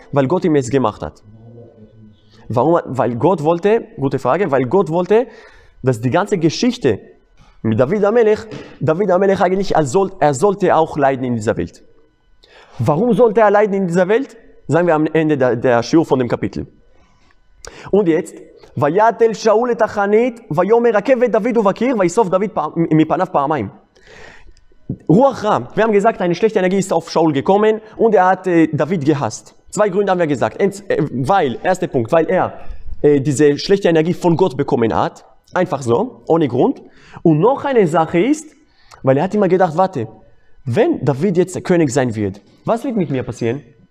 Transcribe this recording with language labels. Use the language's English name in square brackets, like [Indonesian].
[German] Weil Gott ihm es gemacht hat. Warum? Weil Gott wollte, gute Frage, weil Gott wollte, dass die ganze Geschichte mit David Amelech eigentlich, er sollte auch leiden in dieser Welt. Warum sollte er leiden in dieser Welt? Sagen wir am Ende der Shiur von dem Kapitel. Und jetzt, [Hebrew] ויתל שאול את החנית ויומר עקב את דוד ובקיר ויסוף דוד מפניו פעמיים. [German] Ruach Ra, wir haben gesagt, eine schlechte Energie ist auf Shaul gekommen und er hat David gehasst. Zwei Gründe haben wir gesagt. Erster Punkt, weil er diese schlechte Energie von Gott bekommen hat. Einfach so, ohne Grund. Und noch eine Sache ist, weil er hat immer gedacht, warte, wenn David jetzt der König sein wird, was wird mit mir passieren?